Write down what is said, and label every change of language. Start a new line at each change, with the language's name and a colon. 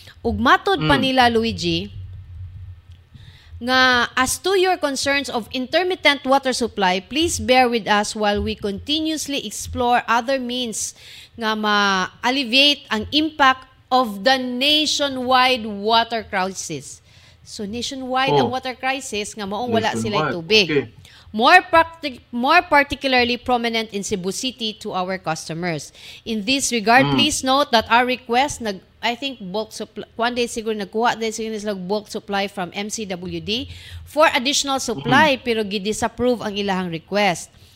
Cebuano: Ugmatod pa nila
English: Luigi, nga, as to your concerns of intermittent water supply, please bear with us while we continuously explore other means
Cebuano: nga ma-alleviate ang
English: impact of the nationwide water crisis.
Cebuano: So nationwide ang water crisis nga maong wala sila tubig.
English: Okay. More particularly prominent in Cebu City to our customers. In this regard, please note that our request bulk supply, one day
Cebuano: siguro nagkuha din siguro nila
English: bulk supply from MCWD for additional supply
Cebuano: pero gi-disapprove ang ilahang
English: request.